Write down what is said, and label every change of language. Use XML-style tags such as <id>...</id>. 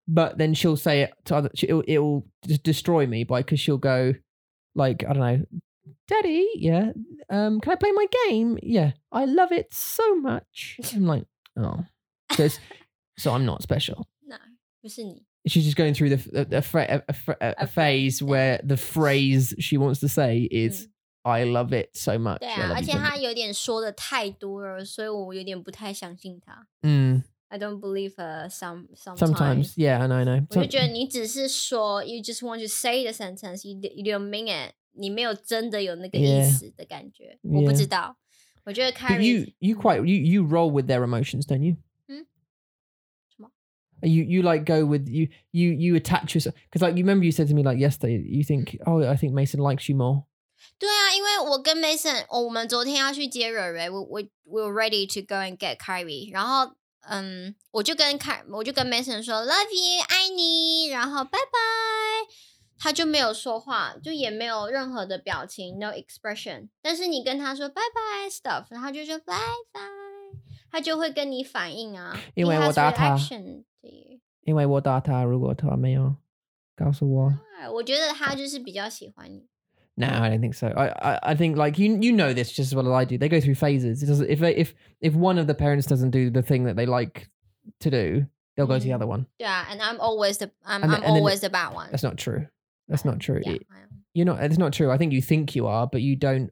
<en>But then she'll say it to other, it'll just destroy me by, because she'll go like, I don't know, "Daddy, yeah, can I play my game? Yeah, I love it so much." I'm like, oh, so I'm not special.</en> <zh>No, 不是你.</zh> <en>She's just going through a phase where the phrase she wants to say is "I love it so much."</en> <zh>Yeah, 而且她有点说的太多了，所以我有点不太相信她.</zh> <en>I don't believe her sometimes. Yeah, I know.</en> <zh>我就觉得你只是说</zh> <en>you just want to say the sentence, you don't mean it.</en> <zh>你没有真的有那个意思的感觉。我不知道。我觉得</zh> <en>you roll with their emotions, don't you? You like go with you attach yourself, because like you remember you said to me like yesterday, you think, oh, I think Mason likes you more.</en> <zh>对啊，因为我跟 Mason, 我们昨天要去接蕊蕊,</zh> <en>we're ready to go and get Kyrie.</en> <zh>然后 我就跟 Mason 说</zh> <en>love you,</en> <zh>爱你, 然后 bye bye. 他就没有说话，就也没有任何的表情 ，</zh> <en>no expression。</en> <zh>但是你跟他说拜拜 stuff， 然后就说拜拜，他就会跟你反应啊。因为我打他，</zh> <en>reaction,</en> <zh>因为我打他，如果他没有告诉我，我觉得他就是比较喜欢你。</zh> <en>No, I don't think so. I think like you know this just as well as I do. They go through phases. It doesn't, if one of the parents doesn't do the thing that they like to do, they'll go to the other one. Yeah, and I'm always the bad one. That's not true. That's not true. Yeah, it's not true. I think you think you are, but you don't.</en>